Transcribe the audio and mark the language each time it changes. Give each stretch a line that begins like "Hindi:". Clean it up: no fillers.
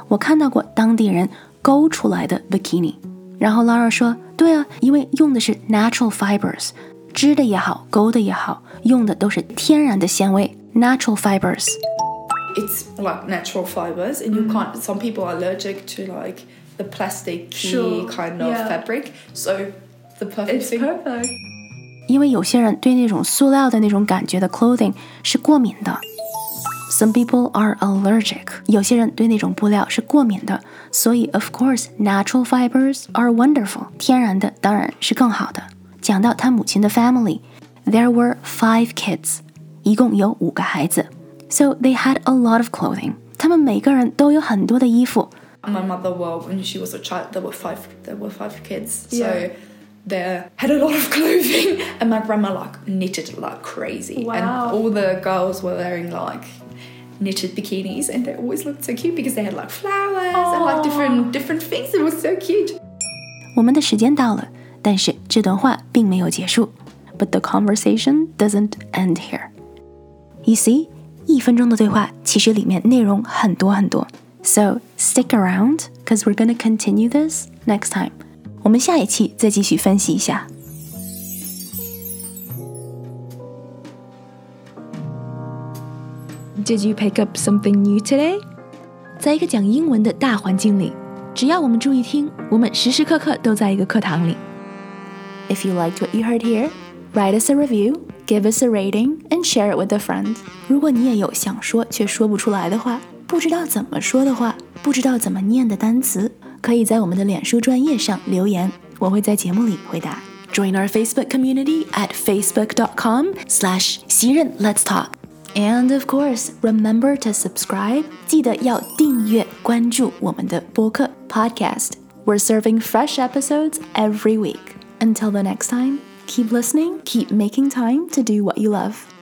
Chinese: 因为我在Guatemala住的时候,我看到过当地人勾出来的bikini。然后Laura说,对啊,因为用的是natural fibers, 织的也好,勾的也好,用的都是天然的纤维, natural fibers.
English: It's like natural fibers, and you can't, some people are allergic to like the plasticky kind of fabric, so the perfect thing. It's perfect.
Chinese: 因为有些人对那种塑料的那种感觉的clothing是过敏的。
English: Some people are allergic.
Chinese: 有些人对那种布料是过敏的, 所以
English: of course, natural fibers are wonderful.
Chinese: 天然的当然是更好的。讲到他母亲的family,
English: there were five kids,
Chinese: 一共有五个孩子。
English: So they had a lot of clothing.
Chinese: 他们每个人都有很多的衣服。
English: My mother, well, when she was a child, there were five kids. So they had a lot of clothing. And my grandma, like, knitted like crazy. Wow. And all the girls were wearing, like, knitted bikinis, and they always looked so cute because they had like flowers and like different things. It was so cute.
Chinese: 我们的时间到了,但是这段话并没有结束.
English: But the conversation doesn't end here. You see,
Chinese: 一分钟的对话其实里面内容很多很多.
English: So stick around, because we're going to continue this next time.
Chinese: 我们下一期再继续分析一下.
English: Did you pick up something new today?
Chinese: 在一个讲英文的大环境里, 只要我们注意听, 我们时时刻刻都在一个课堂里。
English: If you liked what you heard here, write us a review, give us a rating, and share it with a friend.
Chinese: 如果你也有想说却说不出来的话, 不知道怎么说的话, 不知道怎么念的单词, 可以在我们的脸书专页上留言, 我会在节目里回答。
English: Join our Facebook community at facebook.com/xinren let's talk. And of course, remember to subscribe,
Chinese: 记得要订阅关注我们的播客,
English: podcast. We're serving fresh episodes every week. Until the next time, keep listening, keep making time to do what you love.